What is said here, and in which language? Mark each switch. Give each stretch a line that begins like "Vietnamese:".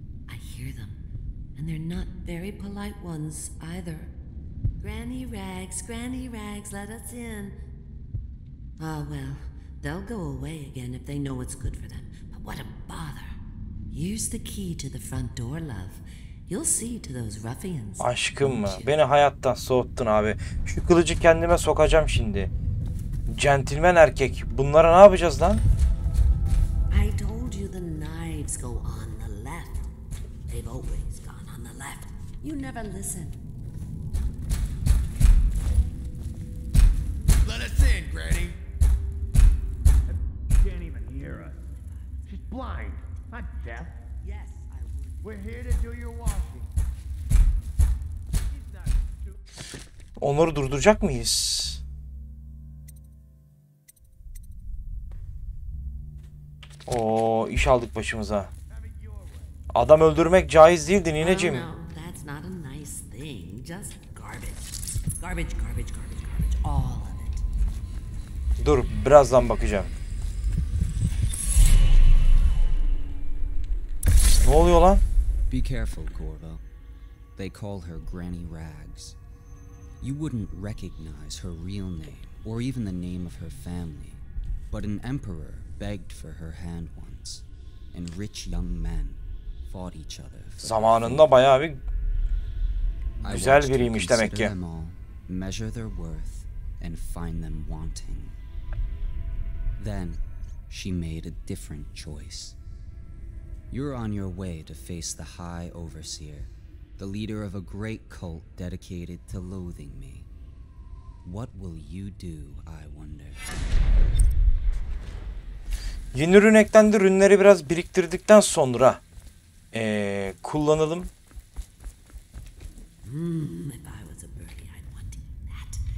English: I hear them, and they're not very polite ones either. Granny Rags, let us in. Ah, well, they'll go away again if they know what's good for them. But what a bother. Here's the key to the front door, love. You'll see to those ruffians.
Turkish: Aşkım mı? Beni hayattan soğuttun abi. Şu kılıcı kendime sokacağım şimdi. Centilmen erkek. Bunlara ne yapacağız lan?
English: I told you the knives go on the left. They've always gone on the left. You never listen. Let us in, Granny. Blind, not deaf. Yes, I would. We're here to do your washing.
Turkish: Onları durduracak mıyız? Oo, iş aldık başımıza. Adam öldürmek caiz değildi nineciğim.
English: No, that's not a nice thing. Just garbage. Garbage. All of it.
Turkish: Dur, birazdan bakacağım. Ne oluyor lan?
English: Be careful, Corvo. They call her Granny Rags. You wouldn't recognize her real name or even the name of her family. But an emperor begged for her hand once, and rich young men fought each other.
Turkish: Zamanında bayağı bir güzel biriymiş demek ki.
English: All, measure their worth and find them wanting. Then she made a different choice. You're on your way to face the High Overseer, the leader of a great cult dedicated to loathing me. What will you do, I wonder?
Turkish: Yeni rün eklendi. Rünleri biraz biriktirdikten sonra kullanalım.
English: If I was a birdie, I'd want to eat that.